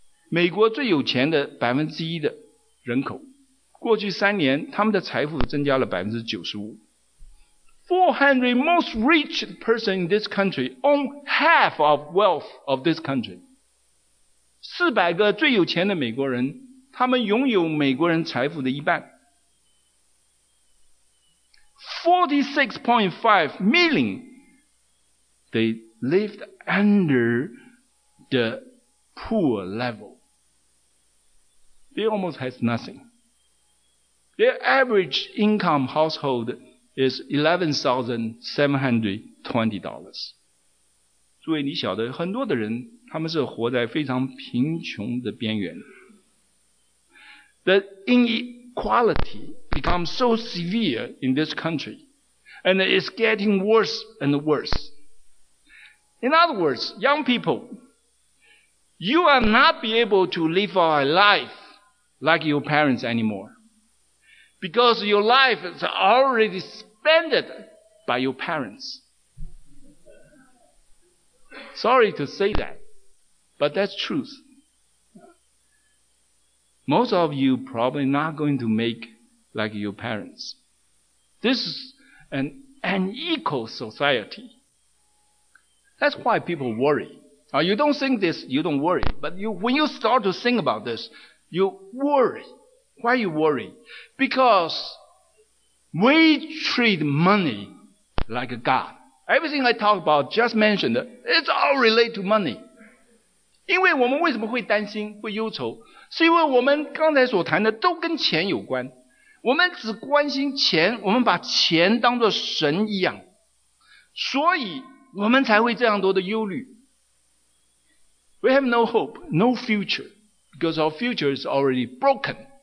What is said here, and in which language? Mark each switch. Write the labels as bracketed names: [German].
[Chinese] 美国最有钱的1%的人口，过去三年他们的财富增加了95%。 [English] 400 most rich person in this country own half of wealth of this country. [Chinese] 400个最有钱的美国人，他们拥有美国人财富的一半。 [English] 46.5 million, they lived under the poor level. They almost has nothing. Their average income household is $11,720. [Chinese] 诸位，你晓得很多的人他们是活在非常贫穷的边缘。 [English] The inequality becomes so severe in this country, and it's getting worse and worse. In other words, young people, you are not be able to live a life like your parents anymore, because your life is already spent by your parents. Sorry to say that, but that's truth. Most of you probably not going to make like your parents. This is an unequal society. That's why people worry. Now, you don't think this, you don't worry. But you, when you start to think about this, you worry. Why you worry? Because we treat money like a god. Everything I talk about, just mentioned, it's all related to money. [Chinese] 因为我们为什么会担心、会忧愁，是因为我们刚才所谈的都跟钱有关。我们只关心钱，我们把钱当作神一样，所以我们才会这样多的忧虑。 [English] We have no hope, no future, because our future is already broken.